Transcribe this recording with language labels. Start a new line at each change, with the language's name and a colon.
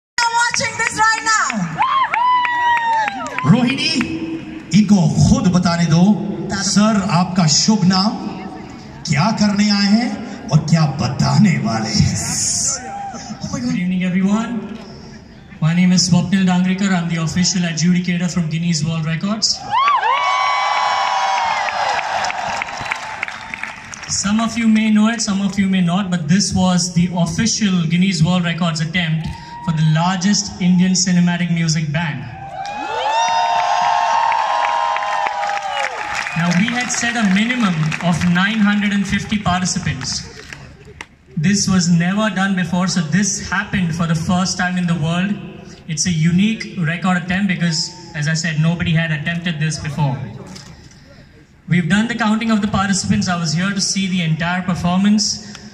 English: watching this right now.
Hindi: Rohini, इनको खुद बताने दो सर आपका शुभ नाम क्या करने आए हैं और क्या बताने वाले हैं
English: Good evening everyone my name is Swapnil Dangrekar I am the official adjudicator from Guinness World Records some of you may know it some of you may not but this was the official Guinness World Records attempt for the largest Indian cinematic music band Now, we had set a minimum of 950 participants. This was never done before, so this happened for the first time in the world. It's a unique record attempt because, as I said, nobody had attempted this before. We've done the counting of the participants. I was here to see the entire performance.